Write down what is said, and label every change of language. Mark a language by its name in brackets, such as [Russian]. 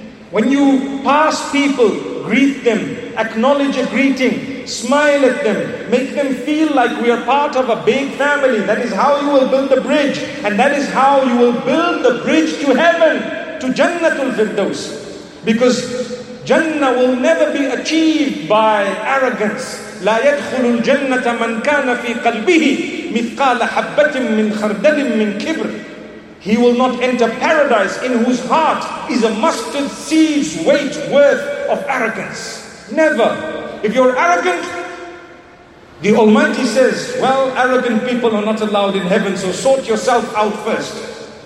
[English] When you pass people, greet them, acknowledge a greeting, smile at them, make them feel like we are part of a big family. That is how you will build the bridge, and that is how you will build the bridge to heaven, to Jannatul Firdaus. Because Jannah will never be achieved by arrogance. [Arabic] لا يدخل الجنة من كان في قلبه مثقال حبة من خردل من كبر. [English] He will not enter paradise in whose heart is a mustard seed's weight worth of arrogance. Never. If you're arrogant, the Almighty says, well, arrogant people are not allowed in heaven, so sort yourself out first.